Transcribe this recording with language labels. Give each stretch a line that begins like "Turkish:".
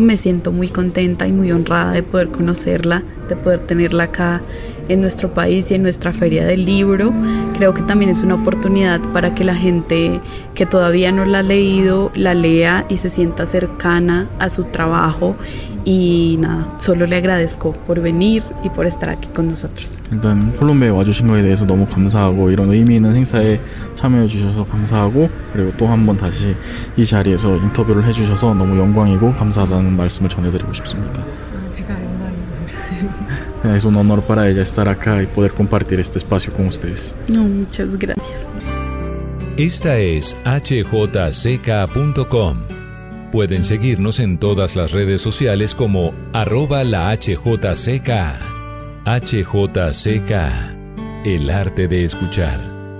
Spanish: Me siento muy contenta y muy honrada de poder conocerla, de poder tenerla acá en nuestro país y en nuestra Feria del Libro. Creo que también es una oportunidad para que la gente que todavía no la ha leído la lea y se sienta cercana a su trabajo. Y nada, solo le agradezco por venir y por estar aquí con nosotros.
Korean: 일단 콜롬비아에 와주신 거에 대해서 너무 감사하고, 이런 의미 있는 행사에 참여해 주셔서 감사하고, 그리고 또 한 번 다시 이 자리에서 인터뷰를 해 주셔서 너무 영광이고 감사하다는 말씀을 전해드리고 싶습니다. 제가 영광입니다.
Spanish: Es un honor para ella estar acá y poder compartir este espacio con ustedes. No, muchas gracias. Esta es hjck.com. Pueden seguirnos en todas las redes sociales como @lahjck. HJK, el arte de escuchar.